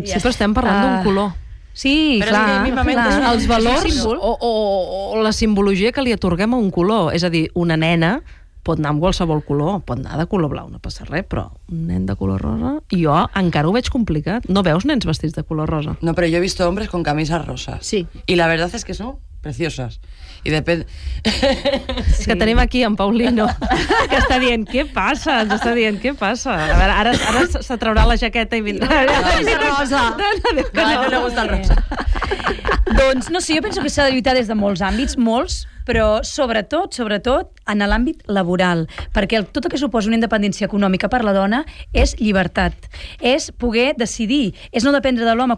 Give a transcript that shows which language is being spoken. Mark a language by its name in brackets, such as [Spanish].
[Catalan] Sí, però estem parlant d'un color. Sí, però clar, els valors o la simbologia que li atorguem a un color, és a dir, una nena pot anar amb qualsevol color, pot anar de color blau, no passa res, però un nen de color rosa, jo encara ho veig complicat. No veus nens vestits de color rosa? No, però jo [Spanish] he visto hombres con camisas rosas. Sí. Y la verdad es que son preciosas. [Catalan] I depèn... Sí. Que tenim aquí en Paulino, que està dient, què passa? Ens està dient, què passa? A veure, ara se traurà la jaqueta i vindrà... No, rosa. [Spanish] No, gusta el rosa. [Catalan] Doncs, no sé, jo penso que s'ha de lluitar des de molts àmbits, molts, però sobretot en l'àmbit laboral, perquè tot el que suposa una independència econòmica per la dona és llibertat, és poder decidir, és no dependre de l'home.